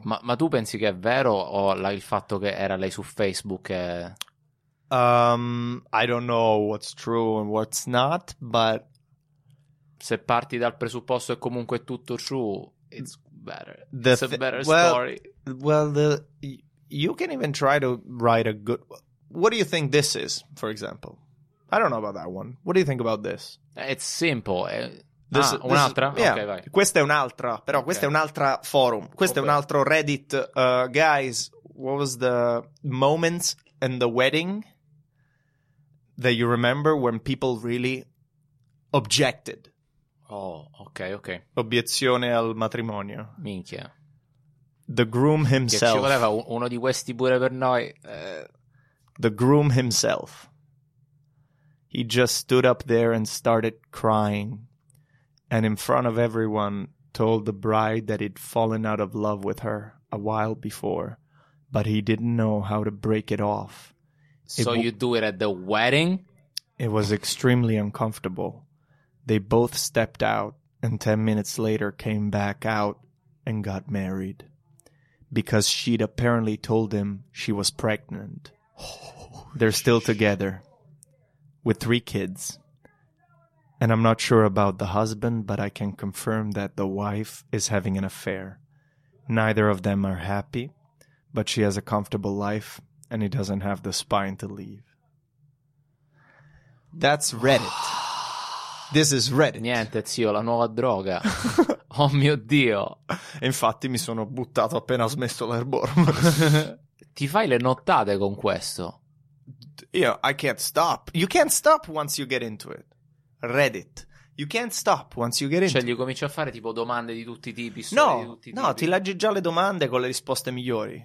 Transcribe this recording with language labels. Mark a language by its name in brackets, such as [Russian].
[Italian] Ma tu pensi che è vero o il fatto che era lei su Facebook è... [English] I don't know what's true and what's not, but... [Italian] Se parti dal presupposto è comunque tutto true, [English] it's better. It's a better story. Well, you can even try to write a good... What do you think this is, for example? I don't know about that one. What do you think about this? It's simple. [Italian] Un'altra? [English] Yeah. Okay, vai. [Italian] Questa è un'altra, però questa è un'altra forum. Questo è un altro Reddit. [English] Guys, what was the moments in the wedding that you remember when people really objected? Oh, ok. [Italian] Obiezione al matrimonio. Minchia. [English] The groom himself. [Italian] Che ci voleva uno di questi pure per noi. [English] The groom himself. He just stood up there and started crying. And in front of everyone, told the bride that he'd fallen out of love with her a while before, but he didn't know how to break it off. You do it at the wedding? It was extremely uncomfortable. They both stepped out, and 10 minutes later came back out and got married. Because she'd apparently told him she was pregnant. They're still together, with 3 kids. And I'm not sure about the husband, but I can confirm that the wife is having an affair. Neither of them are happy, but she has a comfortable life, and he doesn't have the spine to leave. That's Reddit. This is Reddit. [Italian] Niente, zio, la nuova droga. Oh mio Dio. Infatti mi sono buttato appena ho smesso l'herbore. Ti fai le nottate con questo? [English] Yeah, I can't stop. You can't stop once you get into it. Reddit. You can't stop once you get in. [Italian] Cioè, gli cominci a fare tipo domande di tutti i tipi. No, di tutti i no, tipi. Ti leggi già le domande con le risposte migliori.